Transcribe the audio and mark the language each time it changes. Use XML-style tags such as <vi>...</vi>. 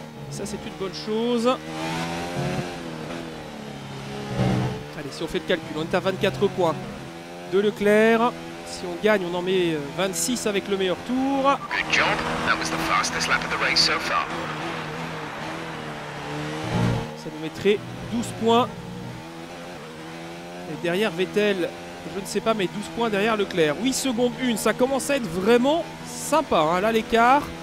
<fr>Ça, c'est une bonne chose. Allez, si on fait le calcul, on est à 24 points de Leclerc. Si on gagne, on en met 26 avec le meilleur tour.</fr> <en>Good job. That was the fastest lap of the race so far.</en> <fr>Ça nous mettrait 12 points. Et derrière Vettel je ne sais pas, mais 12 points derrière Leclerc. 8 secondes, 1, ça commence à être vraiment sympa. Hein. Là, l'écart.</fr>